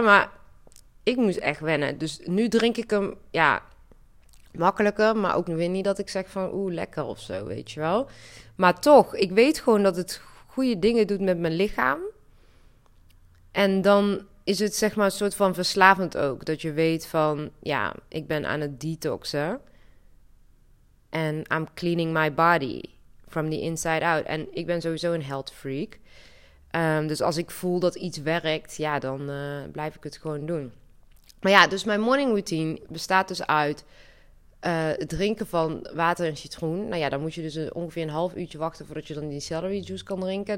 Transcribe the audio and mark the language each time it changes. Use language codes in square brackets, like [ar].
[nl] Maar ik moest echt wennen. Dus nu drink ik hem, ja, makkelijker, maar ook weer niet dat ik zeg van oeh, lekker of zo, weet je wel. Maar toch, ik weet gewoon dat het goede dingen doet met mijn lichaam. En dan is het zeg maar een soort van verslavend ook. Dat je weet van, ja, ik ben aan het detoxen. [en] En I'm cleaning my body from the inside out. [nl] En ik ben sowieso een health freak. Dus als ik voel dat iets werkt, ja, dan blijf ik het gewoon doen. Maar ja, dus mijn morning routine bestaat dus uit het drinken van water en citroen. Nou ja, dan moet je dus ongeveer een half uurtje wachten voordat je dan die celery juice kan drinken.